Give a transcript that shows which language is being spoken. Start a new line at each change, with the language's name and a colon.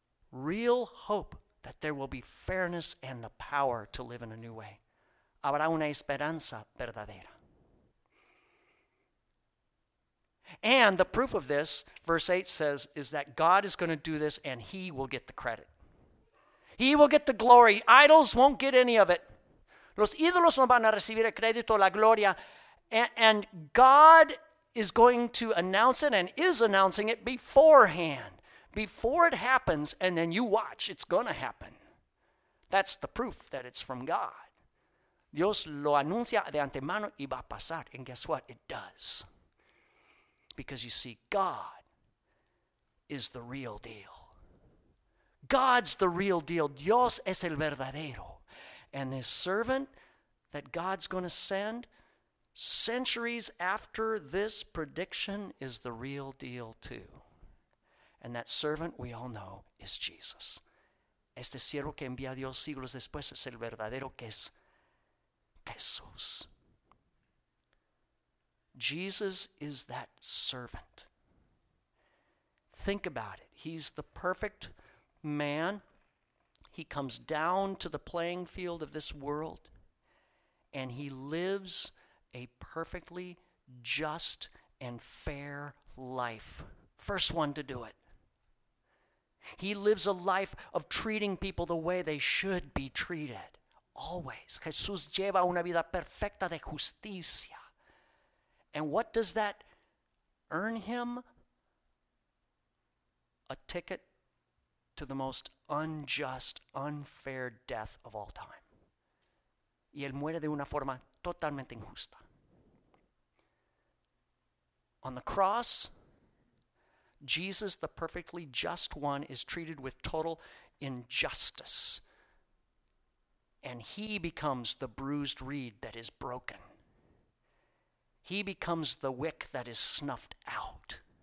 English: Real hope that there will be fairness and the power to live in a new way.
Spanish: Habrá una esperanza verdadera.
English: And the proof of this, verse 8 says, is that God is going to do this and he will get the credit. He will get the glory. Idols won't get any of it.
Spanish: Los ídolos no van a recibir el crédito, la gloria.
English: And God is going to announce it and is announcing it beforehand. Before it happens, and then you watch, it's going to happen. That's the proof that it's from God.
Spanish: Dios lo anuncia de antemano y va a pasar.
English: And guess what? It does. Because you see, God is the real deal. God's the real deal.
Spanish: Dios es el verdadero.
English: And this servant that God's going to send centuries after this prediction is the real deal too. And that servant we all know is Jesus.
Spanish: Este siervo que envía a Dios siglos después es el verdadero que es Jesús.
English: Jesus is that servant. Think about it. He's the perfect man. He comes down to the playing field of this world, and he lives a perfectly just and fair life. First one to do it. He lives a life of treating people the way they should be treated. Always.
Spanish: Jesús lleva una vida perfecta de justicia.
English: And what does that earn him? A ticket to the most unjust, unfair death of all time.
Spanish: Y él muere de una forma totalmente injusta.
English: On the cross, Jesus, the perfectly just one, is treated with total injustice. And he becomes the bruised reed that is broken. He becomes the wick that is snuffed out.